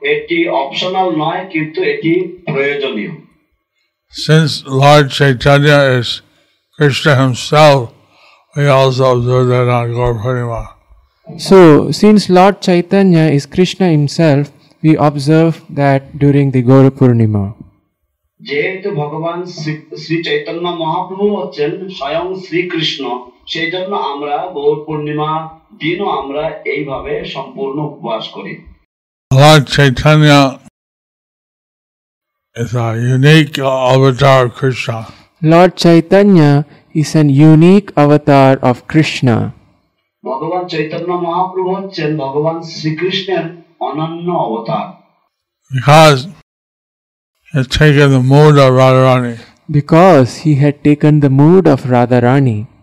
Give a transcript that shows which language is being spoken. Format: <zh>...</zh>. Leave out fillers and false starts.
<bn>এটি অপশনাল নয় কিন্তু এটি প্রয়োজনীয়।</bn> <en>Since Lord Chaitanya is Krishna himself, we also observe that on Gaura Purnima. So, since Lord Chaitanya is Krishna himself, we observe that during the Gaura Purnima.</en> <bn>যেহেতু ভগবান শ্রী চৈতন্য মহাপ্রভু হচ্ছেন স্বয়ং শ্রীকৃষ্ণ, সেই জন্য আমরা গৌর পূর্ণিমা দিনও আমরা এইভাবে সম্পূর্ণ উপবাস করি।</bn> <en>Lord Chaitanya is a unique avatar of Krishna. Lord Chaitanya is an unique avatar of Krishna.</en> <bn>ভগবান চৈতন্য মহাপ্রভু হচ্ছেন ভগবান শ্রীকৃষ্ণের অনন্য অবতার।</bn> <en>Had taken the mood of Radharani. Because he had taken the mood of Radharani.</en>